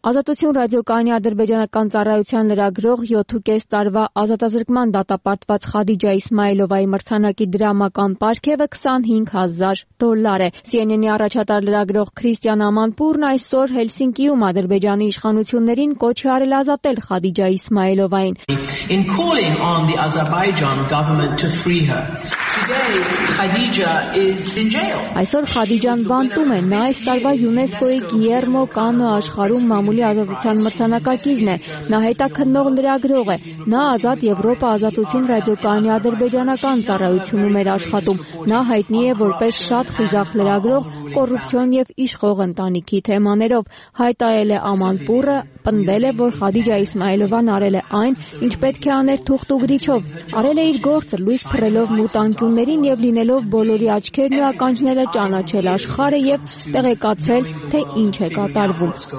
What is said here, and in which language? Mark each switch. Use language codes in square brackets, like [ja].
[hy] Ազատություն ռադիոկանի ադրբեջանական ծառայության լրագրող 7.5 տարվա ազատազրկման դատապարտված Խադիջա Իսմայլովայի մրցանակի դրամական պարգևը $25,000 է։ CNN-ի առաջատար լրագրող Քրիստիան Ամանպուրն այսօր Հելսինկիում ադրբեջանի իշխանություններին կոչ արել ազատել Խադիջա Իսմայլովայի. [en] In calling on the Azerbaijan government to free her, today Khadija is in jail. [hy] Այսօր Խադիջան բանտում է, նա այս տարվա ՅՈՒՆԵՍԿՕ-ի Գիերմո Կանո աշխարհում մամուլի ազատության մրցանակակիրն է, նա հետաքննող լրագրող է, նա ազատ Եվրոպա ազատություն ռադիոկանալի ադրբեջանական ծառայությունում էր աշխատում, նա հայտնի է որպես շատ խիզախ լրագրող կոռուպցիոն և իշխող ընտանիքի թեմաներով, հայտարել է Ամանպուրը, պնդել է, որ Խադիջա Իսմայլովան արել է այն, ինչ պետք է աներ թուղթ ու գրիչով, արել է իր գործը, լույս փռելով մուտանկյուններին և լինելով բոլորի աչքերն ու ականջները ճանաչել աշխարհը և տեղեկացել, թե ինչ է կատարվում։